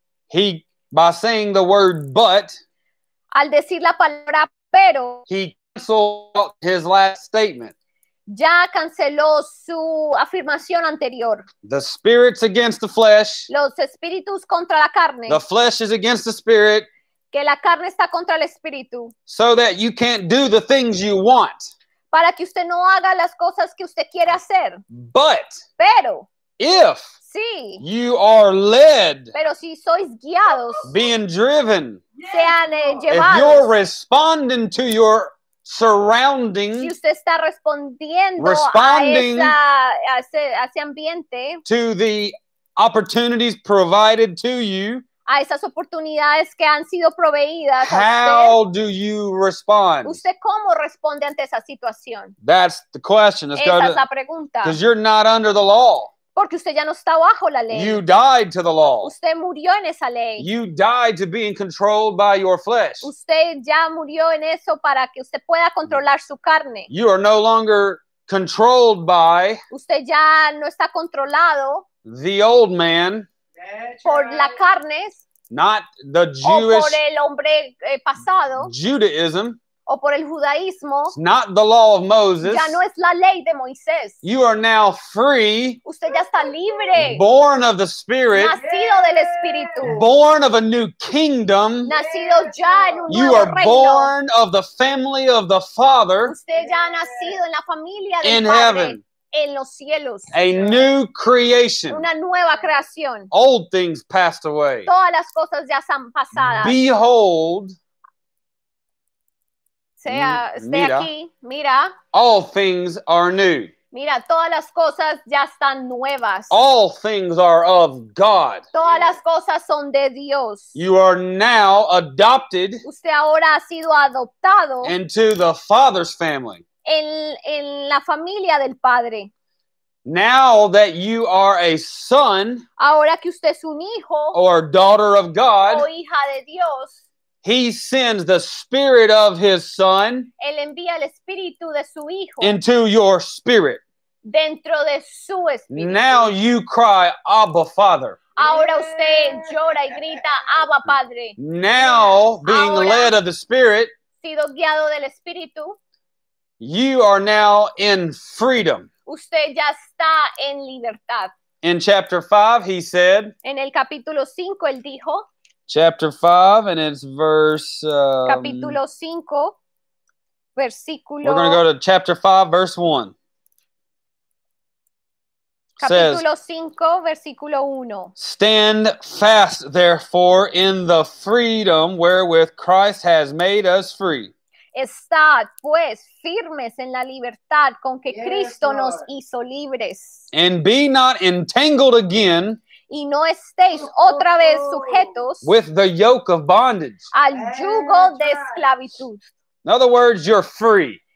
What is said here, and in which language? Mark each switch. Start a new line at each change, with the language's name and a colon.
English: He, by saying the word but,
Spanish: al decir la palabra pero
English: he canceled his last statement.
Spanish: Ya canceló su afirmación anterior.
English: The spirit's against the flesh.
Spanish: Los espíritus contra la carne.
English: The flesh is against the spirit.
Spanish: Que la carne está contra el espíritu.
English: So that you can't do the things you want.
Spanish: Para que usted no haga las cosas que usted quiere hacer.
English: But.
Spanish: Pero.
English: If.
Spanish: Sí.
English: You are led.
Spanish: Pero si sois guiados.
English: Being driven.
Spanish: Sean llevados.
English: If you're responding to your surrounding.
Spanish: Si usted está respondiendo
English: responding
Spanish: a, esa, a ese ambiente.
English: To the opportunities provided to you.
Spanish: A esas oportunidades que han sido proveídas.
English: How
Spanish: a usted,
English: do you respond?
Spanish: ¿Usted cómo responde ante esa situación?
English: That's the question.
Spanish: Esa es la pregunta.
English: Because you're not under the law.
Spanish: Porque usted ya no está bajo la ley.
English: You died to the law.
Spanish: Usted murió en esa ley.
English: You died to being controlled by your flesh.
Spanish: Usted ya murió en eso para que usted pueda controlar su carne.
English: You are no longer controlled by.
Spanish: Usted ya no está controlado.
English: The old man.
Spanish: Por la carne,
English: not the Jewish
Spanish: o por el hombre, pasado,
English: Judaism,
Spanish: o por el judaísmo,
English: not the law of Moses.
Spanish: Ya no es la ley de Moisés.
English: You are now free.
Spanish: Usted ya está libre.
English: Born of the Spirit.
Spanish: Nacido del Espíritu.
English: Born of a new kingdom.
Spanish: Nacido ya en un nuevo reino.
English: You are born of the family of the Father.
Spanish: Usted ya ha nacido en la familia del Padre.
English: In heaven.
Spanish: En los cielos.
English: A new creation.
Spanish: Una nueva creación.
English: Old things passed away.
Spanish: Todas las cosas ya están pasadas.
English: Behold.
Spanish: Sea, esté mira, aquí. Mira.
English: All things are new.
Spanish: Mira, todas las cosas ya están nuevas.
English: All things are of God.
Spanish: Todas las cosas son de Dios.
English: You are now adopted.
Spanish: Usted ahora ha sido adoptado.
English: Into the Father's family.
Spanish: En la familia del padre.
English: Now that you are a son,
Spanish: ahora que usted es un hijo,
English: or daughter of God,
Spanish: o hija de Dios,
English: he sends the spirit of his son,
Spanish: él envía el espíritu de su hijo,
English: into your spirit,
Spanish: dentro de su espíritu.
English: Now you cry, Abba, Father.
Spanish: Ahora usted llora y grita, Abba, Padre.
English: Now being
Spanish: ahora,
English: led of the spirit,
Spanish: sido guiado del espíritu.
English: You are now in freedom.
Spanish: Usted ya está en libertad.
English: In chapter 5, he said.
Spanish: En el capítulo 5, él dijo.
English: Chapter 5, and it's verse.
Spanish: Capítulo 5, versículo.
English: We're going to go to chapter 5, verse 1.
Spanish: Capítulo 5, versículo 1.
English: Stand fast, therefore, in the freedom wherewith Christ has made us free.
Spanish: Estad, pues, firmes en la libertad con que Cristo nos hizo libres.
English: And be not entangled again.
Spanish: Y no estéis otra vez sujetos.
English: With the yoke of bondage.
Spanish: Al yugo de esclavitud.
English: In other words, you're free.